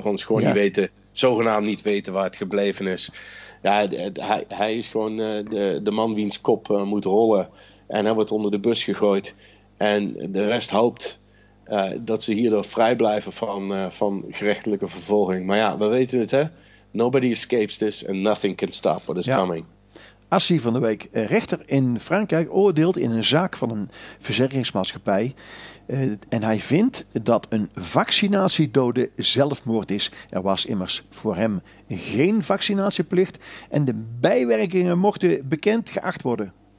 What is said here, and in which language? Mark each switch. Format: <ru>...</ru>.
<nl>Want ze gewoon niet weten, zogenaamd niet weten waar het gebleven is. Ja, hij is gewoon de man wiens kop moet rollen. En hij wordt onder de bus gegooid. En de rest hoopt dat ze hierdoor vrij blijven van gerechtelijke vervolging. Maar ja, we weten het, hè.</nl> <en>Nobody escapes this and nothing can stop what is coming.</en> <nl>Assie van de week. Rechter in Frankrijk oordeelt in een zaak van een verzekeringsmaatschappij. En hij vindt dat een vaccinatiedode zelfmoord is. Er was immers voor hem geen vaccinatieplicht. En de bijwerkingen mochten bekend geacht worden.</nl>